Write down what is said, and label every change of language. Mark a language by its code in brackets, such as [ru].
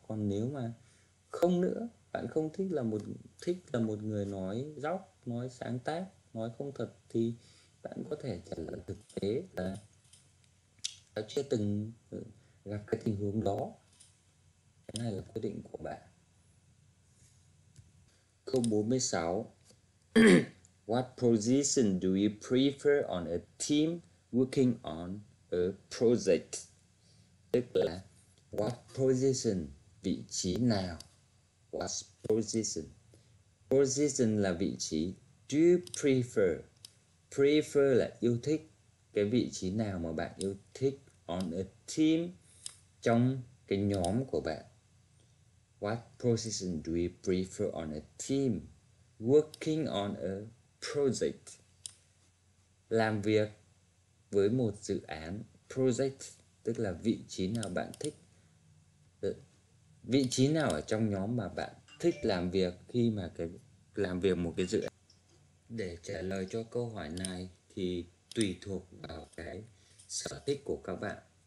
[vi] Còn nếu mà không nữa, bạn không thích là một người nói dóc, nói sáng tác, nói không thật, thì bạn có thể trả lời thực tế là tao chưa từng gặp cái tình huống đó, cái này là quyết định của bạn. Câu 46, [en] what position do you prefer on a team working on a project? [vi] Tức là [en] what position, [vi] vị trí nào? [en] What position? Position [vi] là vị trí. [en] Do you prefer? Prefer [vi] là yêu thích. Cái vị trí nào mà bạn yêu thích [en] on a team, [vi] trong cái nhóm của bạn? [en] What position do you prefer on a team working on a project? [vi] Làm việc với một dự án, project, tức là vị trí nào bạn thích. Vị trí nào ở trong nhóm mà bạn thích làm việc khi mà cái làm việc một cái dự án? Để trả lời cho câu hỏi này thì tùy thuộc vào cái sở thích của các bạn.